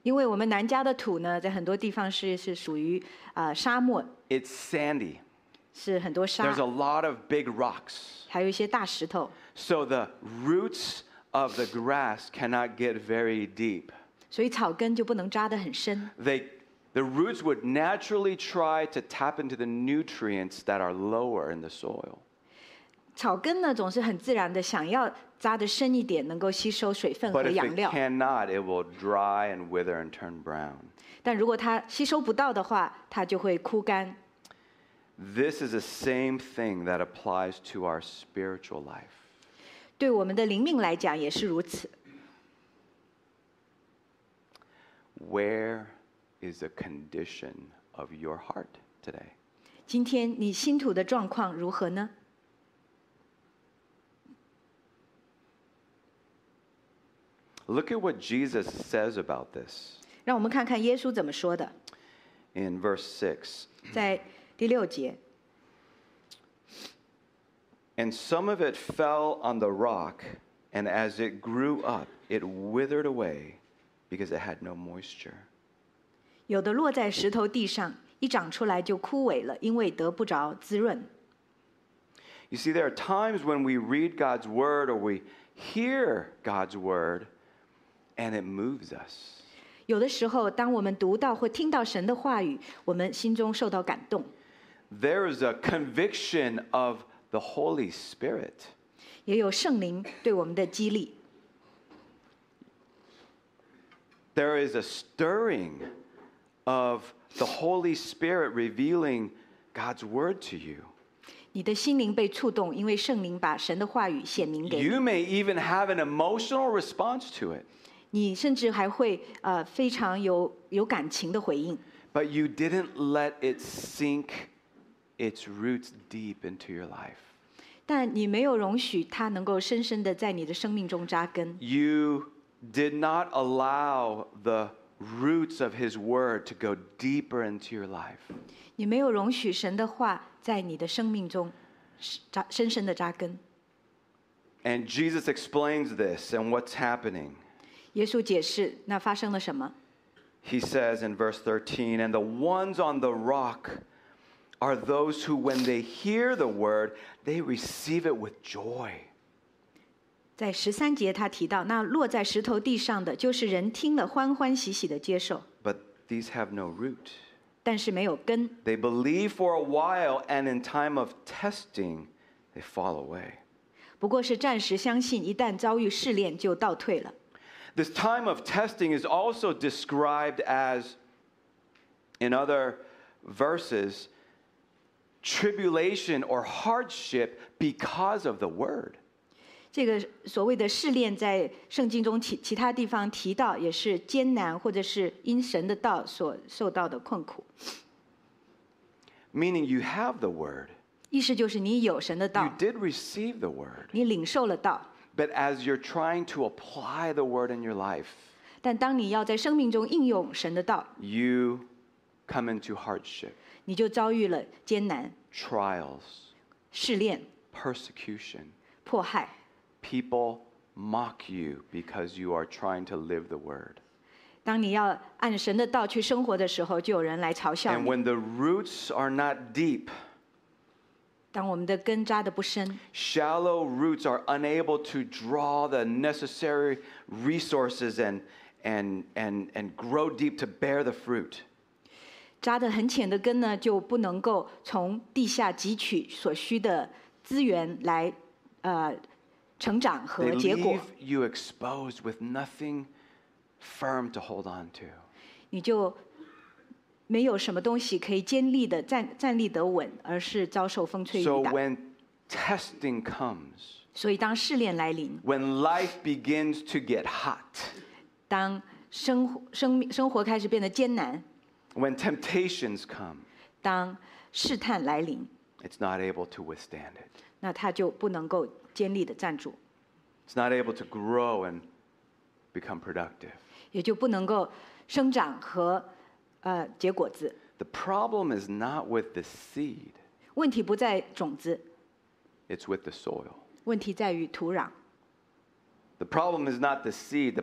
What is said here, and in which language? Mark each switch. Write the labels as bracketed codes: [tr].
[zh] 因为我们南加的土呢，在很多地方是属于沙漠。 [en] It's sandy. [zh] 是很多沙。 [en] There's a lot of big rocks. [zh] 还有一些大石头。 [en] So the roots of the grass cannot get very deep. [zh] 所以草根就不能扎得很深。 [en] The roots would naturally try to tap into the nutrients that are lower in the soil. [zh] 草根呢总是很自然的想要扎得深一点能够吸收水分和养料。 [en] But if it cannot, it will dry and wither and turn brown. [zh] 但如果它吸收不到的话它就会枯干。 [en] This is the same thing that applies to our spiritual life. [zh] 对我们的灵命来讲也是如此。 [en] Where is the condition of your heart today? [zh] 今天你心土的状况如何呢？ [en] Look at what Jesus says about this. [zh] 让我们看看耶稣怎么说的。 [en] In verse 6. [zh] 在第六节。 [en] And some of it fell on the rock, and as it grew up, it withered away because it had no moisture. [zh] 有的落在石头地上，一长出来就枯萎了，因为得不着滋润。 [en] You see, there are times when we read God's word or we hear God's word,And it moves us. [zh] 有的时候，当我们读到或听到神的话语，我们心中受到感动。 [en] There is a conviction of the Holy Spirit. [zh] 也有圣灵对我们的激励。 [en] There is a stirring of the Holy Spirit revealing God's word to you. [zh] 你的心灵被触动，因为圣灵把神的话语显明给你。 [en] You may even have an emotional response to it. [zh] 你甚至还会非常有感情的回应。 [en] But you didn't let it sink its roots deep into your life. [zh] 但你没有容许它能够深深的在你的生命中扎根。 [en] You did not allow the roots of His Word to go deeper into your life. [zh] 你没有容许神的话在你的生命中深深的扎根。 [en] And Jesus explains this and what's happening. [zh] 耶稣解释那发生了什么。 [en] He says in verse 13, And the ones on the rock are those who, when they hear the word, they receive it with joy. [zh] 在十三节他提到，那落在石头地上的，就是人听了欢欢喜喜的接受。 [en] But these have no root. [zh] 但是没有根。 [en] They believe for a while, and in time of testing, they fall away. [zh] 不过是暂时相信，一旦遭遇试炼就倒退了。 [en] This time of testing is also described as, in other verses, tribulation or hardship because of the word. [zh] 这个所谓的试炼在圣经中其他地方提到也是艰难或者是因神的道所受到的困苦。 [en] Meaning you have the word. [zh] 意思就是你有神的道。 [en] You did receive the word. [zh] 你领受了道。 [en] But as you're trying to apply the word in your life, [zh] 但当你要在生命中应用神的道， [en] you come into hardship, [zh] 你就遭遇了艰难， [en] trials, [zh] 试炼， [en] persecution, [zh] 迫害， [en] people mock you because you are trying to live the word. [zh] 当你要按神的道去生活的时候，就有人来嘲笑你。 [en] And when the roots are not deep, [zh] 当我们的根扎得不深， [en] shallow roots are unable to draw the necessary resources and grow deep to bear the fruit. [zh] 扎得很浅的根呢，就不能够从地下汲取所需的资源来成长和结果。 [en] They leave you exposed with nothing. Firm to hold on to. [zh] 你就没有什么东西可以坚立的站立得稳，而是遭受风吹雨打。 [en] So when testing comes, [zh] 所以当试炼来临， [en] when life begins to get hot, [zh] 当生活开始变得艰难， [en] when temptations come, [zh] 当试探来临， [en] it's not able to withstand it. [zh] 那它就不能够坚立的站住。 [en] It's not able to grow and become productive. [zh] 也就不能够生长和结果子。 [en] The problem is not with the seed. [zh] 问题不在种子。 [en] It's with the soil. [zh] 问题在于土壤。 [en] The problem is not the seed.